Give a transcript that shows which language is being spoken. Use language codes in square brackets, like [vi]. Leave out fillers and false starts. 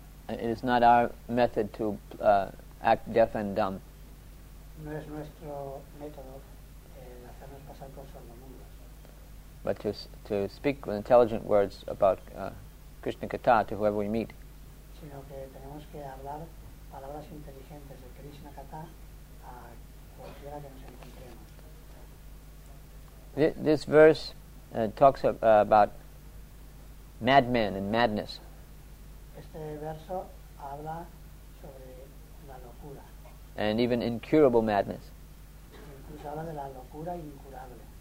[en] It is not our method to act deaf and dumb. [es] No es nuestro método el hacernos pasar por sordomudos. [en] But to speak with intelligent words about Krishna Katha to whoever we meet. [es] Sino que tenemos que hablar palabras inteligentes de Krishna Katha a cualquiera que nos encontremos. [en] This verse talks about madmen and madness. [es] Este verso habla sobre la locura. [en] And even incurable madness. [es] Incluso habla de la locura incurable.